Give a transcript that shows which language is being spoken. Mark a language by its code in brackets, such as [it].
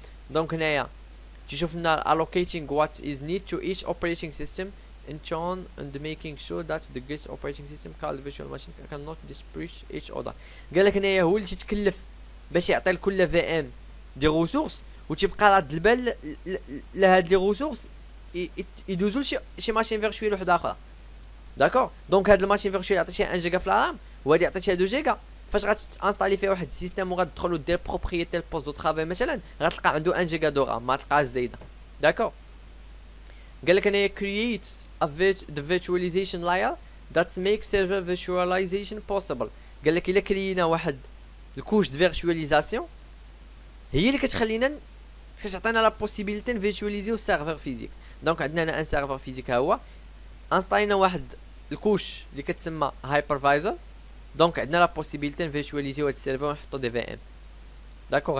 [ar] دونك هنايا تيشوف لنا [en] الالوكيتينغ what is need to each operating system and John and making sure that the guest operating system called virtual machine cannot disparage each other. [ar] قال لك هنايا هو اللي تيتكلف باش يعطي لكل في ام دي ريسورس وتبقى رد البال لهاد لي ريسورس يدوزو شي ماشين فيرتشوال وحده اخرى. داكور. دونك هاد الماشين فيرتشوال عطيتيها 1 جيجا في الرام وهادي عطيتيها 2 جيجا، فاش غتانستالي فيها واحد السيستم وغتدخل ودير بروبريتي البوست دو ترافاي مثلا غتلقى عنده 1 جيجا دو رام، ما تلقاش زايده. داكور. قال لك هنايا [en] creates a the virtualization layer that makes server virtualization possible. [ar] قال لك الا كرينا واحد الكوش د فيرتواليزاسيون هي اللي كتخلينا كتعطينا لا بوسيبيليتي نفيرتواليزيو سيرفر فيزيك. دونك عندنا هنا ان سيرفر فيزيك ها هو انستالينا واحد الكوش اللي كتسمى هايبرفايزر، دونك عندنا لا بوسيبيليتي نفيرتواليزيو هاد السيرفر ونحطو دي في ام. داكوغ.